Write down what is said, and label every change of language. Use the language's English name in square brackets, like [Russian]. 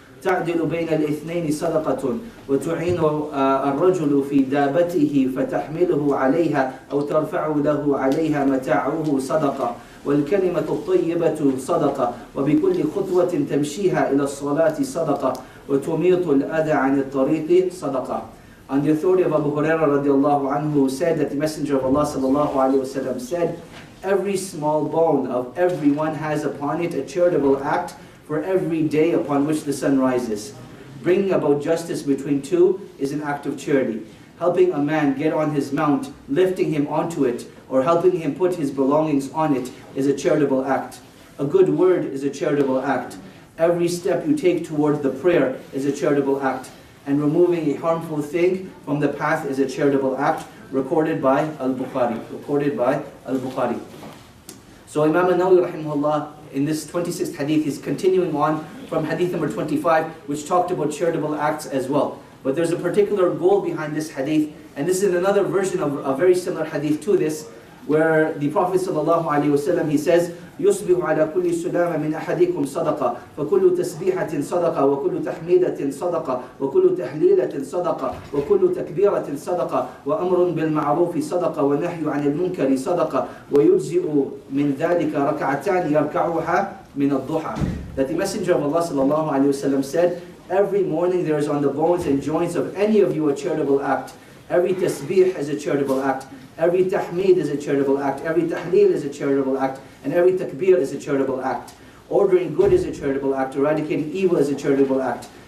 [Arabic] تعدل بين الاثنين صدقة وتعين الرجل في دابته فتحمله عليها أو ترفع له عليها متاعه صدقة والكلمة الطيبة صدقة وبكل خطوة تمشيها إلى الصلاة صدقة وتميط الأذى عن الطريق صدقة. [English] On the authority of Abu Huraira رضي الله عنه, who said that the Messenger of Allah صلى الله عليه وسلم said, every small bone of everyone has upon it a charitable act for every day upon which the sun rises. Bringing about justice between two is an act of charity. Helping a man get on his mount, lifting him onto it, or helping him put his belongings on it is a charitable act. A good word is a charitable act. Every step you take toward the prayer is a charitable act. And removing a harmful thing from the path is a charitable act, recorded by Al-Bukhari. So Imam Nawawi rahimahullah, in this 26th hadith, he's continuing on from hadith number 25, which talked about charitable acts as well. But there's a particular goal behind this hadith, and this is another version of a very similar hadith to this, where the Prophet ﷺ, he says, [Arabic] يُصْبِحُ عَلَى كُلِّ سُلَامَةٍ مِنْ أَحَدِكُمْ صَدَقَةً فَكُلُّ تَسْبِيحَةٍ صَدَقَةً وَكُلُّ تَحْمِيدَةٍ صَدَقَةً وَكُلُّ تَحْلِيلَةٍ صَدَقَةً وَكُلُّ تَكْبِيرَةٍ صَدَقَةً وَأَمْرٌ بِالْمَعْرُوفِ صَدَقَةً وَنَهْيُ عَنِ الْمُنكَرِ صَدَقَةً وَيُجْزِئُ مِنْ ذَلِكَ رَكَعَتَانِ يَرْكَعُهَا مِنَ الضُّحَى. [English] That the Messenger of Allah ﷺ said, every morning there is on the bones and joints of any of you a charitable act. Every tasbih is a charitable act. Every tahmid is a charitable act. Every tahleel is a charitable act. And every takbir is a charitable act. Ordering good is a charitable act. Eradicating evil is a charitable act.